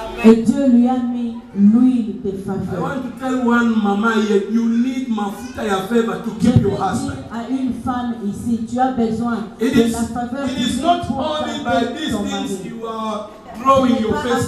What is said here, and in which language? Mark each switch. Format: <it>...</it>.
<fr>Et Dieu lui a mis l'huile de faveur.</fr> <en>I want to tell one mama here, you need</en> <sw>mafuta ya</sw> <en>favor to keep your husband.</en> <fr>À une femme ici, tu as besoin de la faveur.</fr> <en>It is not only by these things you are growing your face.</en>